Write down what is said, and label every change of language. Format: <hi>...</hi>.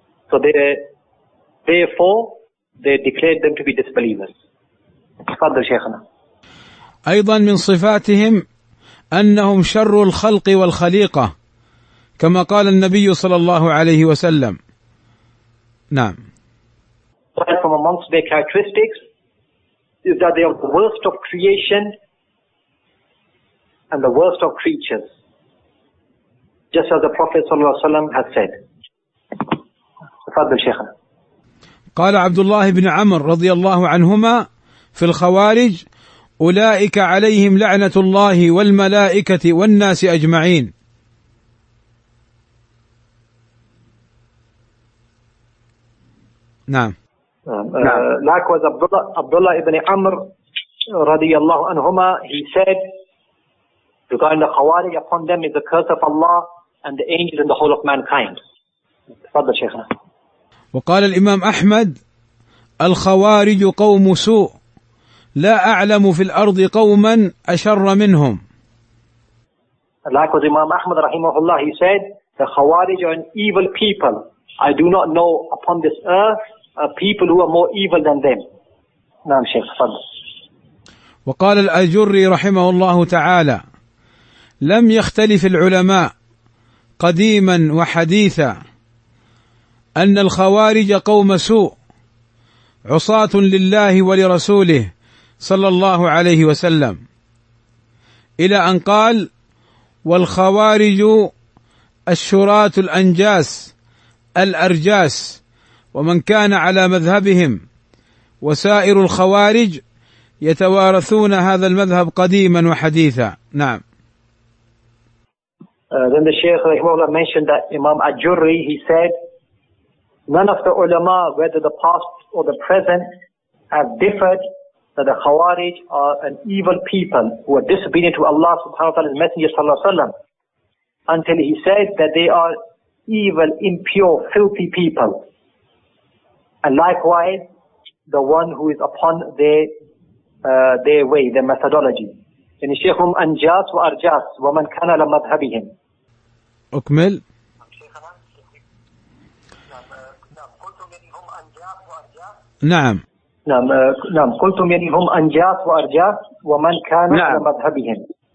<en>So they therefore they declared them to be disbelievers.</en> <ar>أيضا من صفاتهم أنهم شر الخلق والخليقة، كما قال النبي صلى الله عليه وسلم. نعم.</ar> <en>From amongst their characteristics is that they are the worst of creation and the worst of creatures, just as the Prophet صلى الله عليه وسلم has said.</en> <ar>تفضل شيخنا. قال عبد الله بن عمر رضي الله عنهما في الخوارج: أولئك عليهم لعنة الله والملائكة والناس أجمعين. نعم.</ar> <en>Likewise Abdullah ibn Amr رضي الله عنهما, he said regarding the khawarij, upon them is the curse of Allah and the angels and the whole of mankind.</en> <ar>تفضل شيخنا. وقال الإمام أحمد: الخوارج قوم سوء، لا أعلم في الأرض قوما أشر منهم.</ar> <en>Likewise Imam Ahmad رحمه الله, he said, the Khawarij are an evil people. I do not know upon this earth a people who are more evil than them.</en> <ar>نعم شيخ. وقال الأجري رحمه الله تعالى: لم يختلف العلماء قديما وحديثا أن الخوارج قوم سوء عصاة لله ولرسوله صلى الله عليه وسلم، إلى أن قال: والخوارج الشرات الأنجاس الأرجاس، ومن كان على مذهبهم وسائر الخوارج يتوارثون هذا المذهب قديما وحديثا. نعم.</ar> <en>Then the Shaykh Rahimahullah mentioned that Imam Al-Jurri, he said, none of the ulama, whether the past or the present, have differed that the Khawarij are an evil people who are disobedient to Allah subhanahu wa ta'ala and Messenger sallallahu alayhi wa sallam, until he said that they are evil, impure, filthy people. And likewise, the one who is upon their way, their methodology.</en> <ar>إن شيخهم أنجاس وأرجاس ومن كان على مذهبهم. أكمل. نعم. نعم نعم قلت منهم أنجاس وأرجاس ومن كان على مذهبهم.</ar>